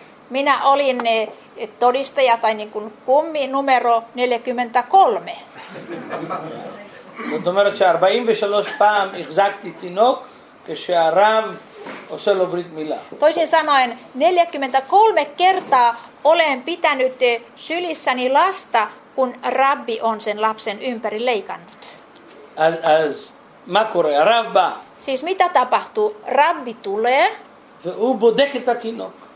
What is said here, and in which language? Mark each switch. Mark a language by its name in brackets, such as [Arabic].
[Finnish] Minä olin todistaja tai niin kuin kummi numero 43. [Hebrew] זאת אומרת ש-43 פעם החזקתי תינוק כשהרב עושה לו ברית מילה. [Finnish] Toisin sanoen 43 kertaa olen pitänyt sylissäni lasta, kun rabbi on sen lapsen ympäri leikannut. [Hebrew] אז מה קורה? הרב בא. [Finnish] Siis mitä tapahtuu? Rabbi tulee. [Hebrew] והוא בודק את התינוק.